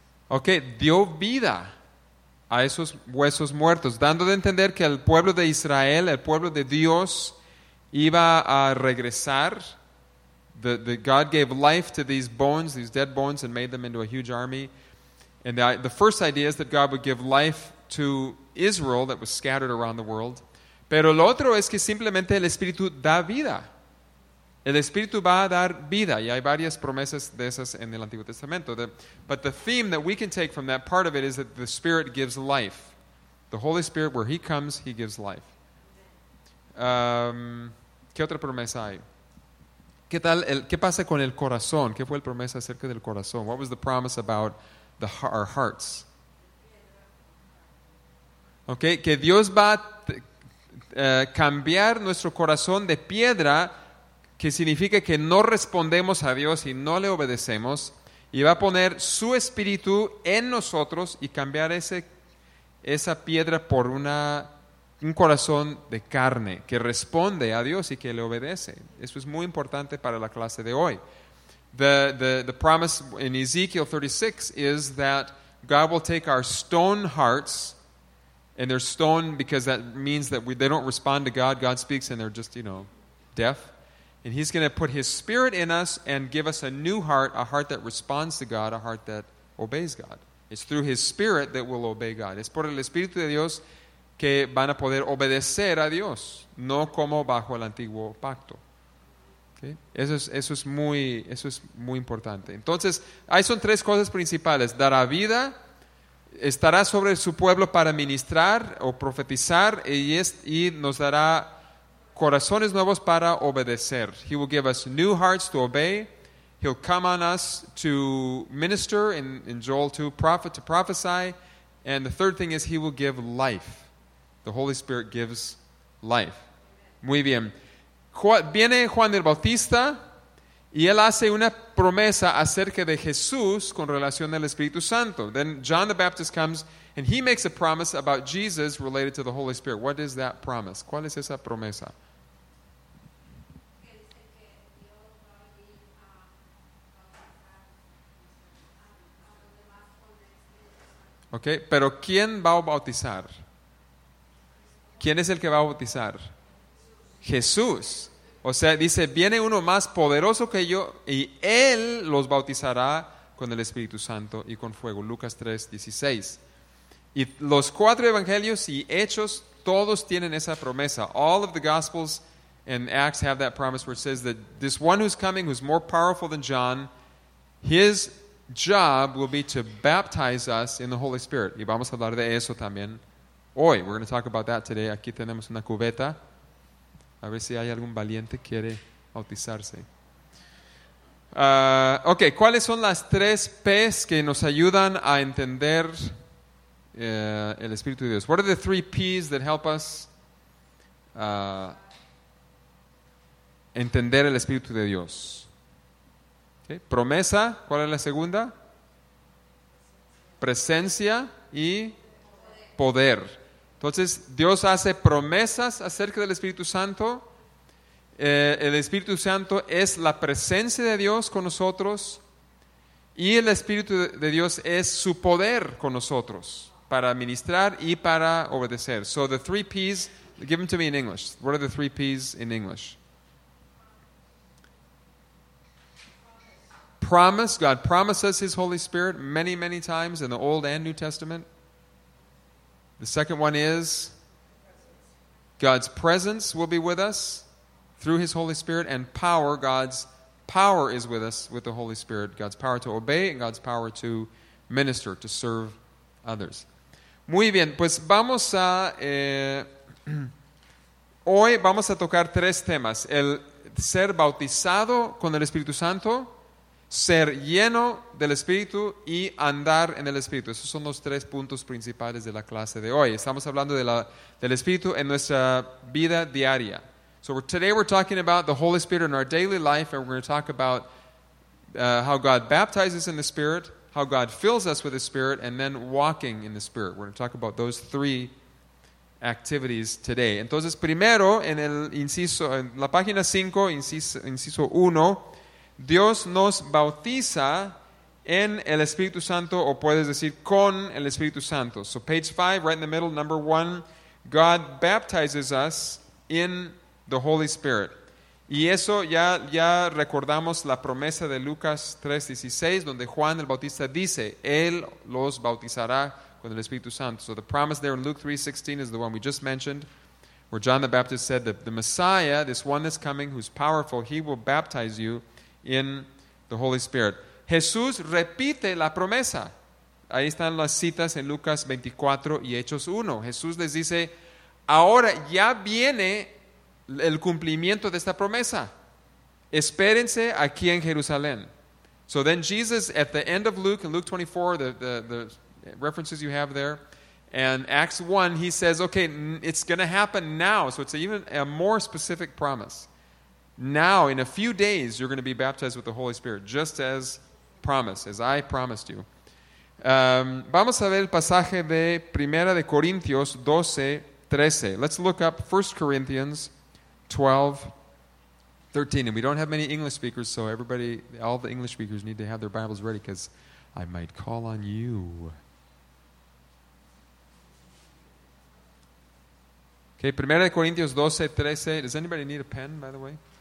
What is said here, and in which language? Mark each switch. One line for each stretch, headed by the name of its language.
Spanish: Okay, dio vida a esos huesos muertos, dando de entender que el pueblo de Israel, el pueblo de Dios, iba a regresar.
English: The God gave life to these bones, these dead bones, and made them into a huge army. And the first idea is that God would give life to Israel that was scattered around the world.
Spanish: Pero lo otro es que simplemente el Espíritu da vida. El Espíritu va a dar vida. Y hay varias promesas de esas en el Antiguo Testamento.
English: But the theme that we can take from that part of it is that the Spirit gives life. The Holy Spirit, where He comes, He gives life.
Spanish: ¿Qué otra promesa hay? ¿Qué pasa con el corazón? ¿Qué fue la promesa acerca del corazón?
English: What was the promise about our hearts?
Spanish: Okay, que Dios va a cambiar nuestro corazón de piedra, que significa que no respondemos a Dios y no le obedecemos, y va a poner su Espíritu en nosotros y cambiar esa piedra por un corazón de carne que responde a Dios y que le obedece. Eso es muy importante para la clase de hoy.
English: The promise in Ezekiel 36 is that God will take our stone hearts, and they're stone because that means that they don't respond to God. God speaks and they're just, you know, deaf. And He's going to put His Spirit in us and give us a new heart, a heart that responds to God, a heart that obeys God. It's through His Spirit that we'll obey God.
Spanish: Es por el Espíritu de Dios que van a poder obedecer a Dios, no como bajo el antiguo pacto. Okay. Eso es muy importante. Entonces, ahí son tres cosas principales: dará vida, estará sobre su pueblo para ministrar o profetizar, y nos dará corazones nuevos para obedecer.
English: He will give us new hearts to obey. He'll come on us to minister, in Joel 2, prophet to prophesy. And the third thing is he will give life. The Holy Spirit gives life.
Spanish: Muy bien. Viene Juan el Bautista y él hace una promesa acerca de Jesús con relación al Espíritu Santo.
English: Then John the Baptist comes and he makes a promise about Jesus related to the Holy Spirit. What is that promise?
Spanish: ¿Cuál es esa promesa? Okay, pero ¿quién va a bautizar? ¿Quién es el que va a bautizar? Jesús. O sea, dice, viene uno más poderoso que yo y él los bautizará con el Espíritu Santo y con fuego. Lucas 3, 16. Y los cuatro evangelios y Hechos, todos tienen esa promesa.
English: All of the Gospels and Acts have that promise where it says that this one who's coming, who's more powerful than John, his job will be to baptize us in the Holy Spirit.
Spanish: Y vamos a hablar de eso también hoy.
English: We're going to talk about that today.
Spanish: Aquí tenemos una cubeta. A ver si hay algún valiente que quiere bautizarse. Ok, ¿cuáles son las tres P's que nos ayudan a entender el Espíritu de Dios?
English: What are the three P's that help us
Spanish: entender el Espíritu de Dios? Okay. Promesa, ¿cuál es la segunda? Presencia y poder. Entonces, Dios hace promesas acerca del Espíritu Santo. El Espíritu Santo es la presencia de Dios con nosotros y el Espíritu de Dios es su poder con nosotros para ministrar y para obedecer.
English: So the three P's, give them to me in English. What are the three P's in English? Promise. God promises his Holy Spirit many, many times in the Old and New Testament. The second one is God's presence will be with us through his Holy Spirit, and power, God's power is with us with the Holy Spirit, God's power to obey and God's power to minister, to serve others.
Spanish: Muy bien, pues vamos a, hoy vamos a tocar tres temas, el ser bautizado con el Espíritu Santo, ser lleno del Espíritu y andar en el Espíritu. Esos son los tres puntos principales de la clase de hoy. Estamos hablando del Espíritu en nuestra vida diaria.
English: So today we're talking about the Holy Spirit in our daily life, and we're going to talk about how God baptizes in the Spirit, how God fills us with the Spirit, and then walking in the Spirit. We're going to talk about those three activities today.
Spanish: Entonces, primero, en el inciso, en la página 5, inciso 1, Dios nos bautiza en el Espíritu Santo, o puedes decir con el Espíritu Santo.
English: So page 5, right in the middle, number 1, God baptizes us in the Holy Spirit.
Spanish: Y eso ya recordamos la promesa de Lucas 3:16, donde Juan el Bautista dice, él los bautizará con el Espíritu Santo.
English: So the promise there in Luke 3:16 is the one we just mentioned, where John the Baptist said that the Messiah, this one that's coming, who's powerful, he will baptize you in the Holy Spirit.
Spanish: Jesús repite la promesa. Ahí están las citas en Lucas 24 y Hechos 1. Jesús les dice, ahora ya viene el cumplimiento de esta promesa. Espérense aquí en Jerusalén.
English: So then Jesus, at the end of Luke, in Luke 24, the references you have there, and Acts 1, he says, okay, it's going to happen now. So it's even a more specific promise. Now, in a few days, you're going to be baptized with the Holy Spirit, just as promised, as I promised you.
Spanish: Vamos a ver el pasaje de Primera de Corintios 12, 13.
English: Let's look up 1 Corinthians 12:13, and we don't have many English speakers, so everybody, all the English speakers need to have their Bibles ready because I might call on you. Okay, 1 Corinthians 12:13. Does anybody need a pen, by the way?